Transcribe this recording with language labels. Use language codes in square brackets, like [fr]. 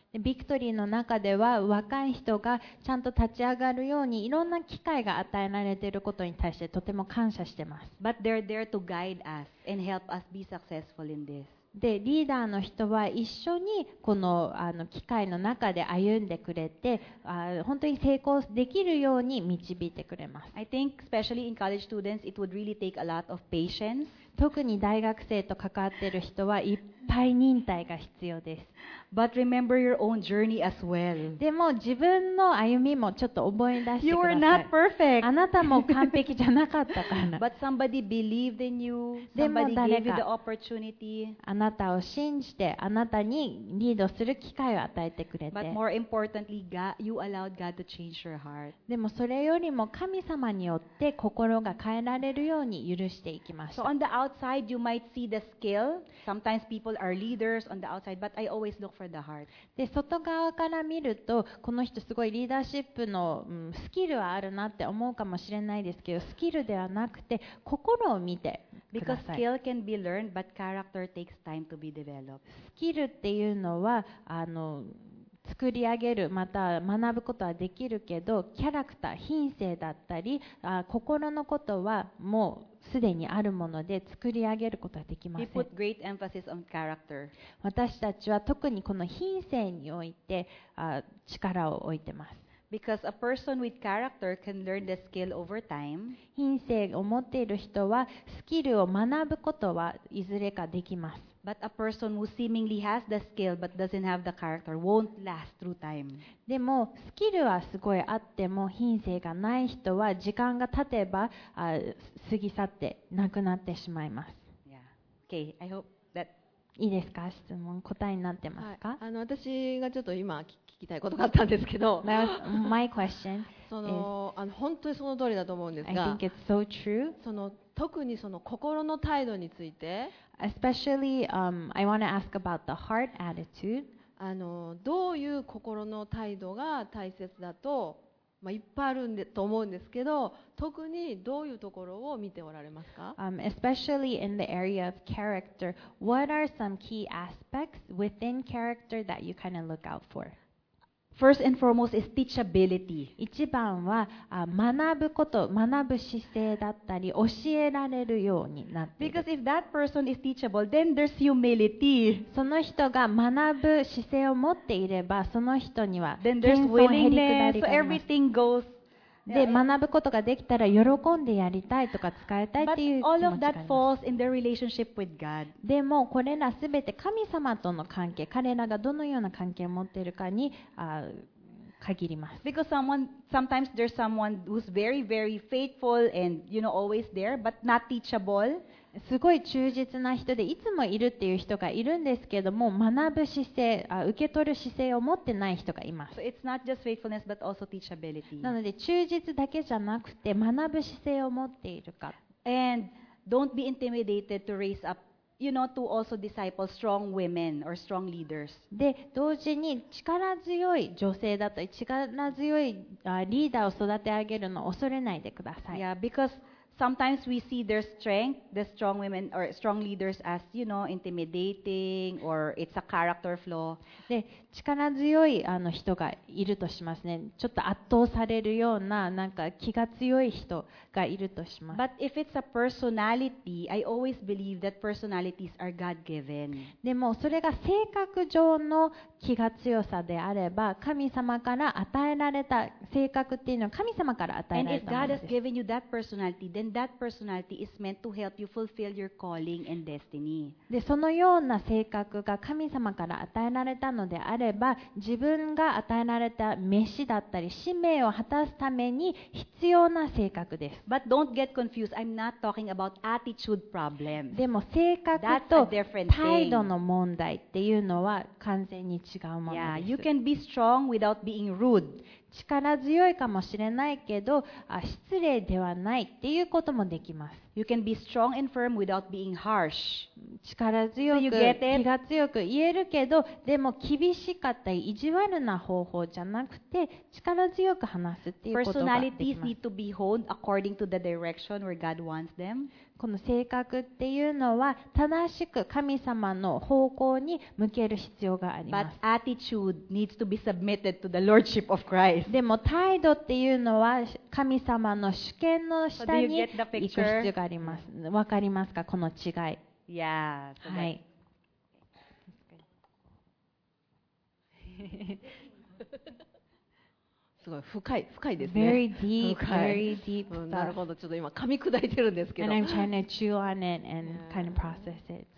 [ja] ビクトリーの中では若い人がちゃんと立ち上がるようにいろんな機会が与えられていることに対してとても感謝しています。 [en] But they're there to guide us and help us be successful in this. [ja] で、リーダーの人は一緒にこの機会の中で歩んでくれて本当に成功できるように導いてくれます。 [en] I think especially in college students it would really take a lot of patience. [ja] 特に大学生と関わっている人はいっぱい忍耐が必要です。 [en] But remember your own journey as well. [ja] でも自分の歩みもちょっと覚え出してください。 [en] You were not perfect. [ja] あなたも完璧じゃなかったかな。 [en] But somebody believed in you. Somebody gave you the opportunity. [ja] あなたを信じて、あなたにリードする機会を与えてくれて。 [en] But more importantly, you allowed God to change your heart. [ja] でもそれよりも神様によって心が変えられるように許していきました。 [en] So on the outside, you might see the skill. Sometimes people are our leaders on the outside, but I always look for the heart. [ja] で、外側から見るとこの人すごいリーダーシップのスキルはあるなって思うかもしれないですけど、スキルではなくて心を見てください。 [en] Because skill can be learned, but character takes time to be developed. [ja] スキルっていうのは作り上げる、また学ぶことはできるけど、キャラクター、品性だったり、心のことはもうすでにあるもので作り上げることはできません。 [en] He put great emphasis on character. [ja] 私たちは特にこの品性において力を置いてます。 [en] Because a person with character can learn the skill over time. [ja] 品性を持っている人はスキルを学ぶことはいずれかできます。 [en] But a person who seemingly has the skill but doesn't have the character won't last through time. [ja] でもスキルはすごいあっても品性がない人は時間が経てば過ぎ去ってなくなってしまいます。 [en] Yeah. Okay. I hope that [ja] いいですか？質問答えになってますか？はい、私がちょっと今聞きたいことがあったんですけど、 [en] My question [ja] その本当にその通りだと思うんですが、 [en] I think it's so true. [ja] その特にその心の態度について、 [en] Especially, I want to ask about the heart attitude. [ja] どういう心の態度が大切だと、まあ、いっぱいあるんでと思うんですけど、特にどういうところを見ておられますか？ [en] Especially in the area of character, what are some key aspects within character that you kind of look out for? First and foremost is teachability. [ja] 一番は学ぶこと、学ぶ姿勢だったり、教えられるようになっている。 [en] Because if that person is teachable, then there's humility. [ja] その人が学ぶ姿勢を持っていれば、その人には謙遜減り下りがあります。 [en] Then there's willingness, so everything goes. [ja] で、学ぶことができたら喜んでやりたいとか使いたいっていう気持ちがあります。 [en] But all of that falls in their relationship with God. [ja] でもこれらすべて神様との関係、彼らがどのような関係を持っているかに限ります。 [en] Because sometimes there's someone who's very, very faithful and you know always there, but not teachable. [ja] すごい忠実な人でいつもいるっていう人がいるんですけども、学ぶ姿勢、受け取る姿勢を持ってない人がいます。 [en] So it's not just faithfulness, but also teachability. [ja] なので忠実だけじゃなくて学ぶ姿勢を持っているか。 [en] And don't be intimidated to raise up, you know, to also disciple strong women or strong leaders. [ja] で、同時に力強い女性だと力強いリーダーを育て上げるのを恐れないでください。 [en] Yeah, becauseSometimes we see their strength, the strong women or strong leaders as, you know, intimidating or it's a character flaw. [ja] で、力強い人がいるとしますね。ちょっと圧倒されるような、なんか気が強い人がいるとします。 [en] But if it's a personality, I always believe that personalities are God-given. [ja] でもそれが性格上の気が強さであれば、神様から与えられた性格っていうのは神様から与えられたものです。 [en] And if God has given you that personality,Then that personality is meant to help you fulfill your calling and destiny. [ja] で、そのような性格が神様から与えられたのであれば、自分が与えられた召しだったり使命を果たすために必要な性格です。 [en] But don't get confused. I'm not talking about attitude problems. [ja] でも性格と態度の問題っていうのは完全に違うものです。 [en] Yeah, you can be strong without being rude. [ja] 力強いかもしれないけど、失礼ではないっていうこともできます。 [en] You can be strong and firm without being harsh. [ja] 力強く、気が強く言えるけど、でも厳しかったり意地悪な方法じゃなくて、力強く話すっていうことができます。 [en] Personalities need to be honed according to the direction where God wants them. [ja] この性格っていうのは正しく神様の方向に向ける必要があります。 [en] But attitude needs to be submitted to the lordship of Christ. [ja] でも態度っていうのは神様の主権の下に行く必要があります。わかりますか、この違い。 [en] Yeah, [ja] はい。すごい深いですね。 [en] Very deep, very deep、 [ja] なるほど、ちょっと今噛み砕いてるんですけど。 [en] And I'm trying to chew on it and kind of process it.